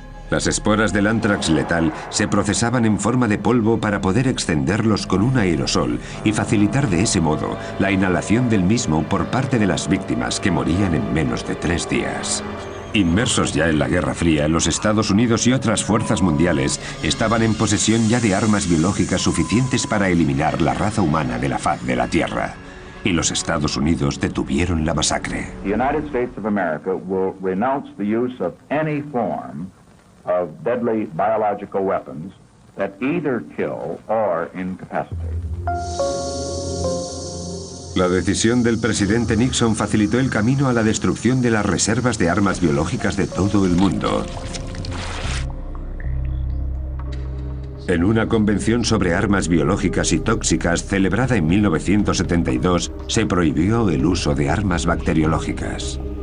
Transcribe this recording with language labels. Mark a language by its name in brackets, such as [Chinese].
[Spanish] Las esporas del anthrax letal se procesaban en forma de polvo para poder extenderlos con un aerosol y facilitar de ese modo la inhalación del mismo por parte de las víctimas que morían en menos de 3 días. Inmersos ya en la Guerra Fría, los Estados Unidos y otras fuerzas mundiales estaban en posesión ya de armas biológicas suficientes para eliminar la raza humana de la faz de la Tierra. Y los Estados Unidos detuvieron la masacre. [English] The United States of America will renounce the use of any form of deadly biological weapons that either kill or incapacitate. [Spanish] La decisión del presidente Nixon facilitó el camino a la destrucción de las reservas de armas biológicas de todo el mundo. En una convención sobre armas biológicas y tóxicas celebrada en 1972, se prohibió el uso de armas bacteriológicas.